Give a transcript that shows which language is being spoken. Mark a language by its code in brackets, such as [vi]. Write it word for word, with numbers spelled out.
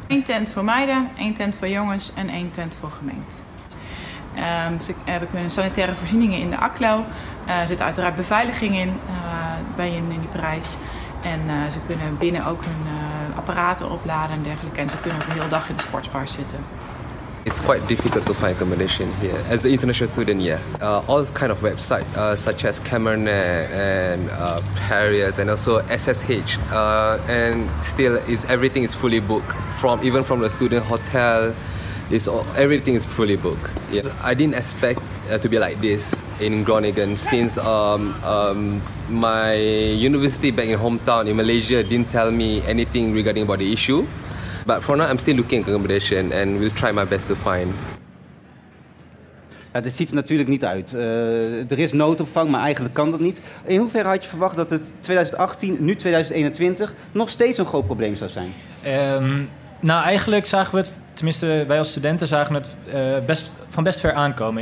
[nl] Eén tent voor meiden, één tent voor jongens en één tent voor gemeente. Um, ze hebben kunnen sanitaire voorzieningen in de ACLO. Uh, er zit uiteraard beveiliging in, uh, bij in, in die prijs. En uh, ze kunnen binnen ook hun uh, apparaten opladen en dergelijke. En ze kunnen ook de hele dag in de sportsbar zitten. [en] It's quite difficult to find accommodation here. As an international student, yeah, uh, all kind of websites uh, such as Camernet and uh, Harriers and also S S H, uh, and still is everything is fully booked. From even from the student hotel, is everything is fully booked. Yeah. I didn't expect uh, to be like this in Groningen since um, um, my university back in hometown in Malaysia didn't tell me anything regarding about the issue. But for now, I'm still looking at accommodation and will try my best to find. [nl] Ja, dit ziet er natuurlijk niet uit. Uh, er is noodopvang, maar eigenlijk kan dat niet. In hoeverre had je verwacht dat het twintig achttien, nu twintig eenentwintig, nog steeds een groot probleem zou zijn? Um, nou, eigenlijk zagen we het, tenminste wij als studenten zagen het uh, best, van best ver aankomen.